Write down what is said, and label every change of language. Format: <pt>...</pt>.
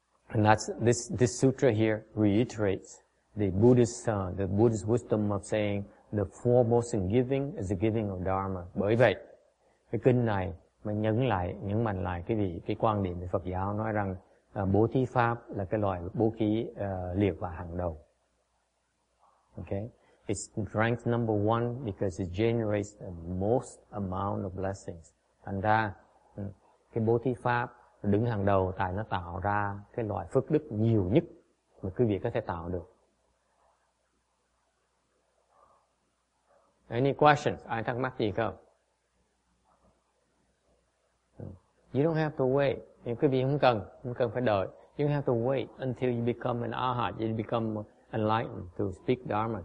<en>And that's this sutra here reiterates the Buddhist wisdom of saying the foremost in giving is the giving of Dharma.</en> <vi>Bởi vậy, cái kinh này mà nhấn mạnh lại cái quan điểm của Phật giáo nói rằng bố thí pháp là cái loại bố thí liệt vào hàng đầu.</vi> <en>Okay, it's ranked number one because it generates the most amount of blessings.</en> <vi>Thành ra cái bố thí pháp đứng hàng đầu tại nó tạo ra cái loại phước đức nhiều nhất mà quý vị có thể tạo được.</vi> <en>Any questions?</en> <vi>Ai thắc mắc gì không?</vi> <en>You don't have to wait.</en> <vi>Nếu quý vị không cần phải đợi.</vi> <en>You don't have to wait until you become an arhat, you become enlightened to speak Dharma.</en>